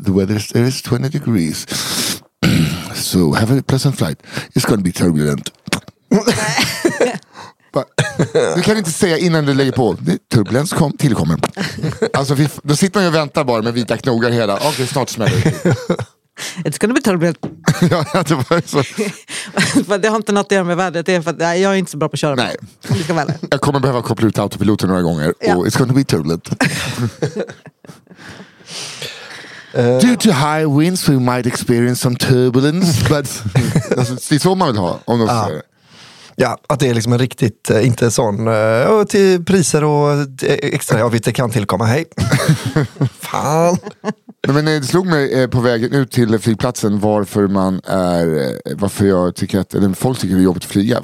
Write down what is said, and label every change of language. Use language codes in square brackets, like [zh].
[en] The weather there is 20 degrees. So have a pleasant flight. It's gonna be turbulent. [sv] Du kan inte säga innan du lägger på. Turbulens kom, tillkommer. Alltså, då sitter man ju och väntar bara med vita knogar hela. Okej, snart smäller det. It's gonna be turbulent. Ja, det var så. Det har inte något att göra med vädret. Det är för att, nej, jag är inte så bra på att köra. Nej. Jag kommer behöva koppla ut autopiloten några gånger. Ja. Och [en] it's gonna be turbulent. Due to high winds we might experience some turbulence. But [sv] det är så man vill ha. Om de säger det. Ja, att det är liksom en riktigt, inte sån, till priser och extra avgifter kan tillkomma, hej. Fan. Men det slog mig på vägen ut till flygplatsen varför jag tycker att, eller folk tycker det är jobbigt att flyga.